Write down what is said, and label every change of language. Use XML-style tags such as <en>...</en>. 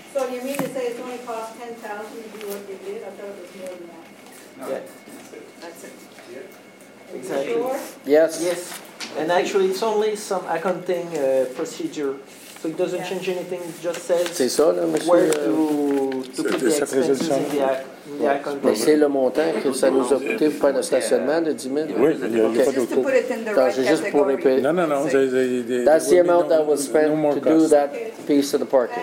<en>So you mean to say it's only cost $10,000 to do what you did? I thought it was more than that. No. Yes. Exactly. Yes. Yes. And actually, it's only some accounting procedure. So it doesn't change anything. It just says</en> <fr>c'est ça, là, monsieur,</fr> <en>where to put the expenses in the act.</en> <fr>Mais c'est le montant que ça nous a coûté pour faire le stationnement de 10 000. Oui, il n'y a pas d'autre.</fr> <en>Just to put it in the right category.</en> <fr>Juste pour répéter. Non.</fr> <en>That's the amount that was spent to do that piece of the parking.</en>